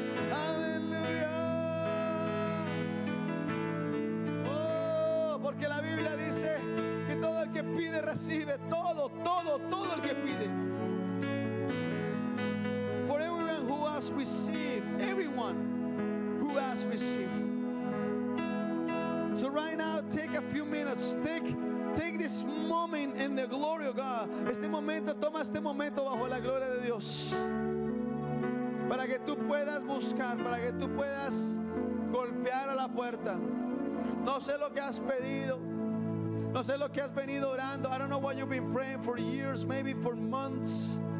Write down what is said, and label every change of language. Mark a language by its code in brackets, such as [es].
[es] Aleluya. Oh, porque la Biblia dice que todo el que pide recibe. Todo, todo, todo el que pide. [en] For everyone who has received, everyone who has received. So right now, take a few minutes. Take this moment in the glory of God. [es] Este momento, toma este momento bajo la gloria de Dios. Para que tú puedas buscar, para que tú puedas golpear a la puerta. No sé lo que has pedido. No sé lo que has venido orando. [en] I don't know what you've been praying for years, maybe for months.